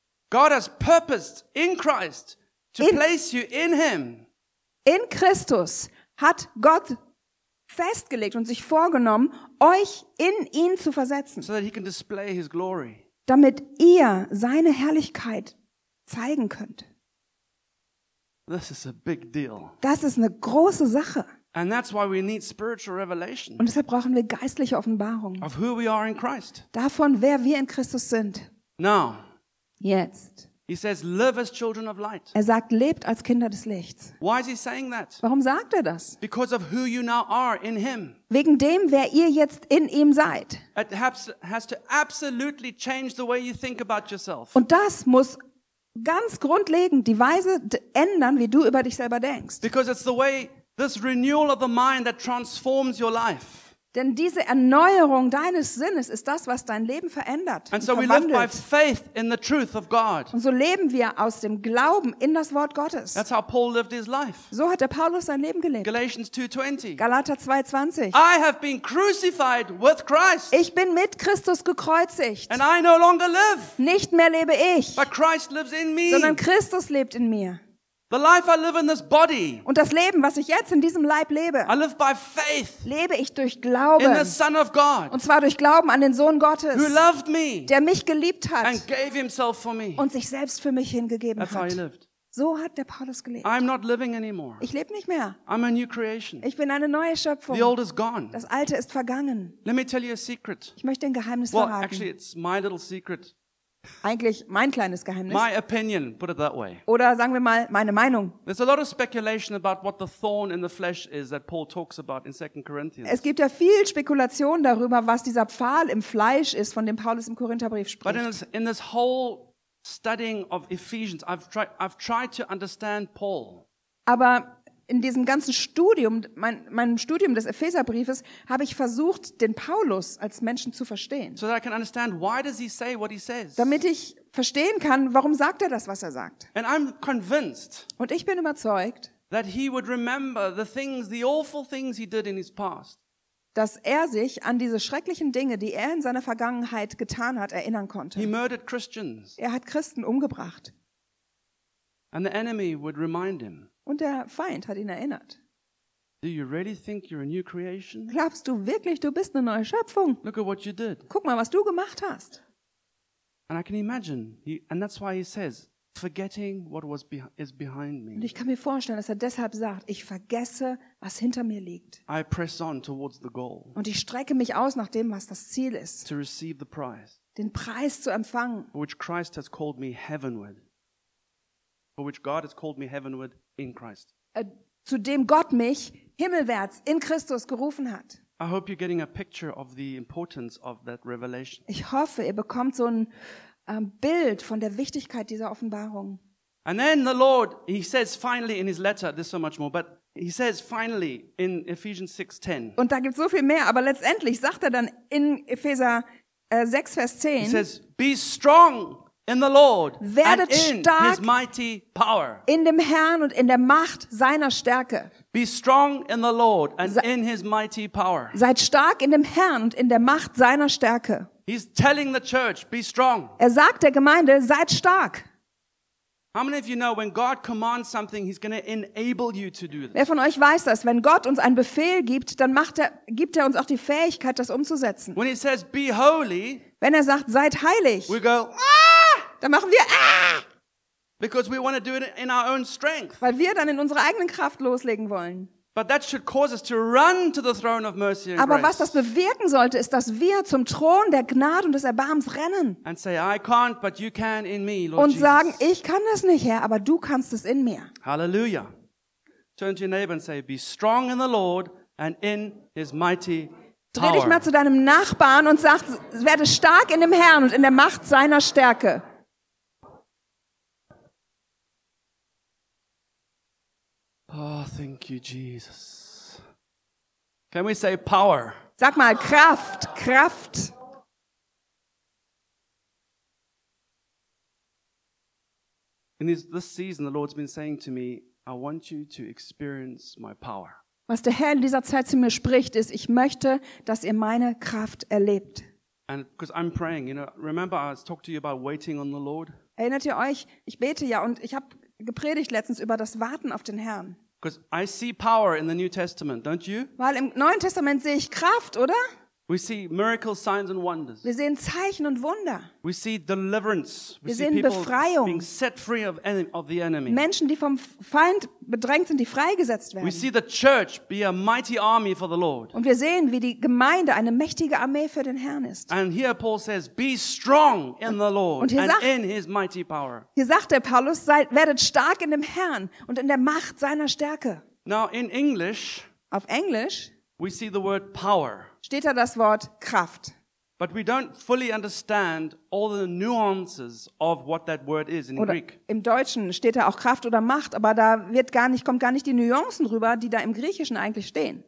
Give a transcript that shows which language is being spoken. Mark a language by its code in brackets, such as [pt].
[en] God has purposed in Christ to place you in him. [de] In Christus hat Gott festgelegt und sich vorgenommen, euch in ihn zu versetzen. [en] So that he can display his glory. [de] Damit ihr seine Herrlichkeit zeigen könnt. [en] This is a big deal. [de] Das ist eine große Sache. [en] And that's why we need spiritual revelation. [de] Und deshalb brauchen wir geistliche Offenbarung. [en] Of who we are in Christ. [de] Davon, wer wir in Christus sind. [en] Now. [de] Jetzt. [en] He says, "Live as children of light." [de] Er sagt, lebt als Kinder des Lichts. [en] Why is he saying that? [de] Warum sagt er das? [en] Because of who you now are in him. [de] Wegen dem, wer ihr jetzt in ihm seid. [en] It has to absolutely change the way you think about yourself. [de] Und das muss ganz grundlegend die Weise ändern, wie du über dich selber denkst. [en] Because it's the way this renewal of the mind that transforms your life. [de] Denn diese Erneuerung deines Sinnes ist das, was dein Leben verändert und verwandelt. Und so leben wir aus dem Glauben in das Wort Gottes. [en] That's how Paul lived his life. [de] So hat der Paulus sein Leben gelebt. [en] Galatians 2:20. [de] Galater 2:20. [en] I have been crucified with Christ. [de] Ich bin mit Christus gekreuzigt. [en] And I no longer live. [de] Nicht mehr lebe ich. [en] But Christ lives in me. [de] Sondern Christus lebt in mir. [en] The life I live in this body. [de] Und das Leben, was ich jetzt in diesem Leib lebe. [en] I live by faith. [de] Lebe ich durch Glauben. [en] In the Son of God. [de] Und zwar durch Glauben an den Sohn Gottes. [en] Who loved me. [de] Der mich geliebt hat. [en] And gave himself for me. [de] Und sich selbst für mich hingegeben [en] hat. That's how he lived. [de] So hat der Paulus gelebt. [en] I'm not living anymore. [de] Ich lebe nicht mehr. [en] I'm a new creation. [de] Ich bin eine neue Schöpfung. [en] The old is gone. [de] Das Alte ist vergangen. [en] Let me tell you a secret. [de] Ich möchte ein Geheimnis [en] well, [de] verraten. [en] Well, actually it's my little secret. [de] Eigentlich mein kleines Geheimnis. [en] My opinion, put it that way. [de] Oder sagen wir mal meine Meinung. [en] There's a lot of speculation about what the thorn in the flesh is that Paul talks about in 2 Corinthians. [de] Es gibt ja viel Spekulation darüber, was dieser Pfahl im Fleisch ist, von dem Paulus im Korintherbrief spricht. [en] But in this whole studying of Ephesians, I've tried to understand Paul. [de] Aber in diesem ganzen Studium, meinem Studium des Epheserbriefes, habe ich versucht, den Paulus als Menschen zu verstehen. [en] So that I can understand, why does he say what he says? [de] Damit ich verstehen kann, warum sagt er das, was er sagt. [en] And I'm convinced. [de] Und ich bin überzeugt, [en] that he would remember the things, the awful things he did in his past. [de] Dass er sich an diese schrecklichen Dinge, die er in seiner Vergangenheit getan hat, erinnern konnte. [en] He murdered Christians. [de] Er hat Christen umgebracht. [en] And the enemy would remind him. [de] Und der Feind hat ihn erinnert. [en] Do you really think you're a new creation? [de] Glaubst du wirklich, du bist eine neue Schöpfung? [en] Look at what you did. [de] Guck mal, was du gemacht hast. [en] And I can imagine, and that's why he says, forgetting what was is behind me. [de] Und ich kann mir vorstellen, dass er deshalb sagt, ich vergesse, was hinter mir liegt. [en] I press on towards the goal. [de] Und ich strecke mich aus nach dem, was das Ziel ist. [en] To receive the prize. [de] Den Preis zu empfangen. [en] Which Christ has called me heavenward. For which God has called me heavenward in Christ. [de] Zu dem Gott mich himmelwärts in Christus gerufen hat. [en] I hope you're getting a picture of the importance of that revelation. [de] Ich hoffe, ihr bekommt so ein Bild von der Wichtigkeit dieser Offenbarung. [en] And then the Lord, he says finally in his letter, there's so much more, but he says finally in Ephesians 6:10. [de] Und da gibt's so viel mehr, aber letztendlich sagt er dann in Epheser 6 Vers 10. [en] He says, be strong in the Lord [de] werdet [en] and in [de] stark [en] his mighty power. [de] In dem Herrn und in der Macht seiner Stärke. [en] Be strong in the Lord and in his mighty power. [de] Seid stark in dem Herrn und in der Macht seiner Stärke. [en] He's telling the church, be strong. [de] Er sagt der Gemeinde, seid stark. [en] How many of you know when God commands something, he's going to enable you to do this? [de] Wer von euch weiß das, wenn Gott uns einen Befehl gibt, dann gibt er uns auch die Fähigkeit, das umzusetzen. [en] When he says be holy, [de] wenn er sagt seid heilig, [en] we go, [de] dann machen wir [en] because we want to do it in our own strength. [de] Weil wir dann in unserer eigenen Kraft loslegen wollen. [en] But that should cause us to run to the throne of mercy and [de] aber [en] grace. [de] Was das bewirken sollte, ist, dass wir zum Thron der Gnade und des Erbarmens rennen. [en] And say, I can't, but you can in me, Lord. [de] Und sagen, ich kann das nicht, Herr, aber du kannst es in mir. [en] Hallelujah. Turn to your neighbor and say, be strong in the Lord and in his mighty power. [de] Dreh dich mal zu deinem Nachbarn und sag, werde stark in dem Herrn und in der Macht seiner Stärke. [en] Oh, thank you, Jesus. Can we say power? [de] Sag mal Kraft, Kraft. [en] In this season, the Lord's been saying to me, I want you to experience my power. [de] Was der Herr in dieser Zeit zu mir spricht, ist, ich möchte, dass ihr meine Kraft erlebt. [en] And because I'm praying, you know, remember I talked to you about waiting on the Lord? [de] Erinnert ihr euch? Ich bete ja und ich habe gepredigt letztens über das Warten auf den Herrn. [en] Because I see power in the New Testament, don't you? [de] Weil im Neuen Testament sehe ich Kraft, oder? [en] We see miracles, signs and wonders. [de] Wir sehen Zeichen und Wunder. [en] We see deliverance. [de] Wir sehen Befreiung. [en] Being set free of the enemy. [de] Menschen, die vom Feind bedrängt sind, die freigesetzt werden. [en] We see the church be a mighty army for the Lord. [de] Und wir sehen, wie die Gemeinde eine mächtige Armee für den Herrn ist. [en] And here Paul says, be strong in the Lord [de] und [en] and in his mighty power. [de] Hier sagt der Paulus, werdet stark in dem Herrn und in der Macht seiner Stärke. [en] Now in English, [de] auf Englisch, [en] we see the word power. [de] Steht da das Wort Kraft. [en] But we don't fully understand all the nuances of what that word is in [de] oder [en] Greek. [de] Im Deutschen steht da auch Kraft oder Macht, aber da kommt gar nicht die Nuancen rüber, die da im Griechischen eigentlich stehen.